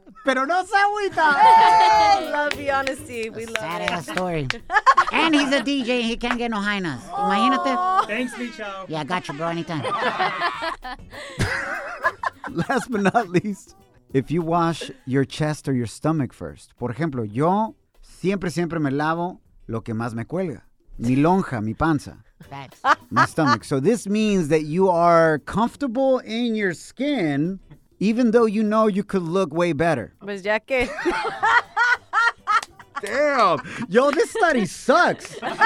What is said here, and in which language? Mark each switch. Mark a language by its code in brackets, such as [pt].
[es] Pero no se agüita. [en] Love the honesty. We love sad it. Sad ass story. And he's a DJ. He can't get no hinas. [es] Imagínate. [en] Thanks, Micho. Yeah, I got you, bro. Anytime. Last but not least, if you wash your chest or your stomach first. [es] Por ejemplo, yo siempre me lavo lo que más me cuelga. Mi lonja, mi panza. [en] My stomach. So this means that you are comfortable in your skin. Even though you know you could look way better. [es] Pues ya que. [en] Damn. Yo, this study sucks.